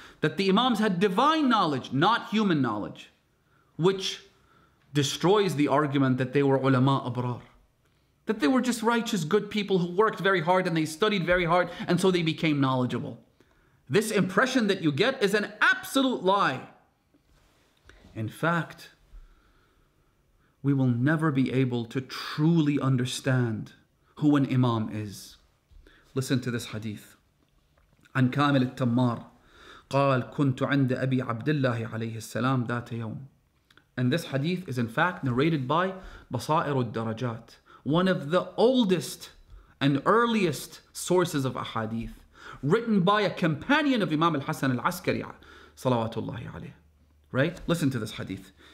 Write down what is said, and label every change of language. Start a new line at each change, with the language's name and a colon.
English: That the Imams had divine knowledge, not human knowledge, which destroys the argument that they were ulama abrar, that they were just righteous, good people who worked very hard and they studied very hard, and so they became knowledgeable. This impression that you get is an absolute lie. In fact, we will never be able to truly understand who an imam is. Listen to this hadith.
Arabic: An Kamil al-Tammar, قال كنت عند أبي عبد الله عليه السلام ذات يوم.
English: And this hadith is in fact narrated by Basair al-Darajat, one of the oldest and earliest sources of ahadith, written by a companion of Imam al-Hasan al-Askari salawatullahi alayhi, right? Listen to this hadith.